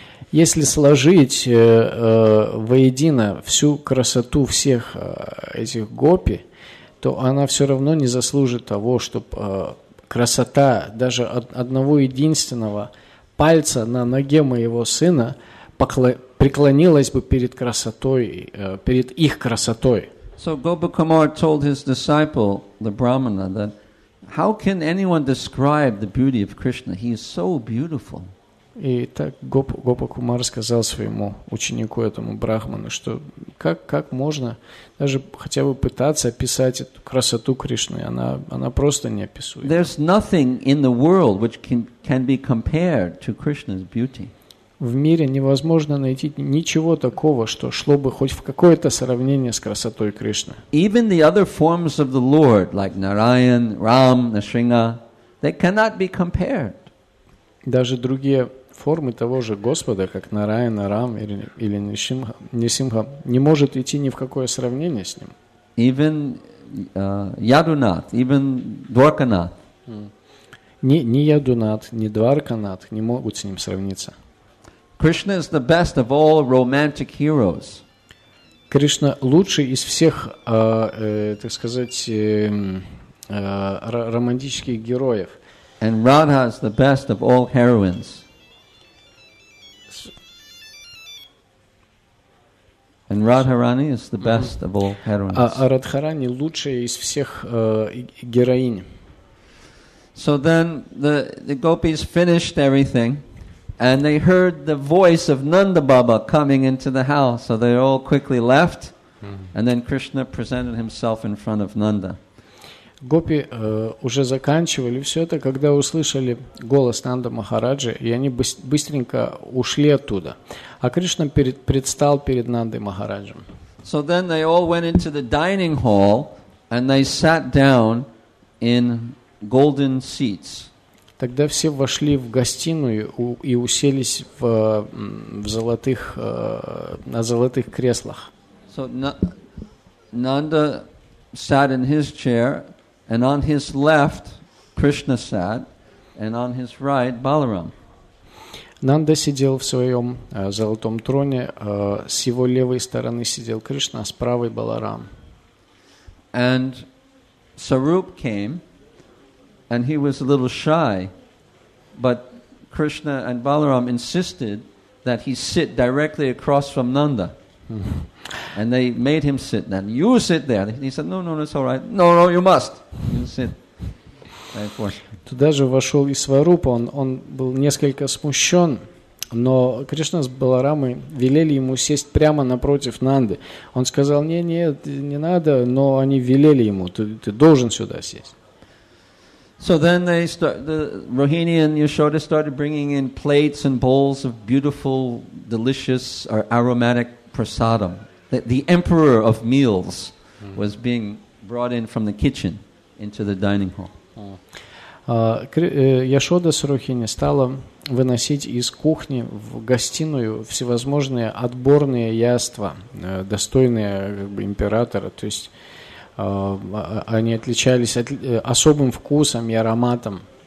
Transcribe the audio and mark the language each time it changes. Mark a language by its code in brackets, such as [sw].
[ru] Если сложить воедино всю красоту всех этих гопи, то она все равно не заслужит того, чтобы красота даже одного единственного пальца на ноге моего сына преклонилась бы перед красотой, перед их красотой. [en] So Gopakumar told his disciple, the Brahmana, that how can anyone describe the beauty of Krishna? He is so beautiful. [ru] И так Гопакумар сказал своему ученику, этому брахману, что как можно даже хотя бы пытаться описать эту красоту Кришны, она просто неописуема. [en] There's nothing in the world which can be compared to Krishna's beauty. [ru] В мире невозможно найти ничего такого, что шло бы хоть в какое-то сравнение с красотой Кришны. [en] Even the other forms of the Lord, like Narayan, Ram, Narsingha, they cannot be compared. [ru] Даже другие формы того же Господа, как Нараяна, Рам или Нисимха, не может идти ни в какое сравнение с ним. [en] Even Ядунат, even Дварканат. [ru] ни Ядунат, ни Дварканат не могут с ним сравниться. [en] Krishna is the best of all romantic heroes. [ru] Кришна лучший из всех, так сказать, романтических героев. [en] And Radha is the best of all heroines. And Radharani is the best of all heroines. [ru] А Радхарани лучшая из всех героинь. [en] So then the gopis finished everything. And they heard the voice of Nanda Baba coming into the house, so they all quickly left. And then Krishna presented himself in front of Nanda. [ru] Гопи уже заканчивали все это, когда услышали голос Нанда Махараджи, и они быстренько ушли оттуда. А Кришна предстал перед Нандой Махараджем. [en] So then they all went into the dining hall, and they sat down in golden seats. [ru] Тогда все вошли в гостиную и уселись в золотых, на золотых креслах. [en] So Nanda sat in his chair, and on his left Krishna sat, and on his right Balaram. [ru] Нанда сидел в своем золотом троне, с его левой стороны сидел Кришна, с правой Баларам. [en] And Sarup came, and he was a little shy. But Krishna and Balaram insisted that he sit directly across from Nanda. And they made him sit then. You sit there. And he said, no, it's all right. No, you must. You sit. [ru] Туда же вошел и Сварупа. Он был несколько смущен, но Кришна с Баларамой велели ему сесть прямо напротив Нанды. Он сказал, нет, не надо, но они велели ему, ты должен сюда сесть. [en] So then the Rohini and Yashoda started bringing in plates and bowls of beautiful, delicious, or aromatic prasadam. The emperor of meals was being brought in from the kitchen into the dining hall. [ru] Yashoda с Rohini стала выносить из кухни в гостиную всевозможные отборные яства, достойные как бы императора, то есть они отличались особым вкусом и ароматом.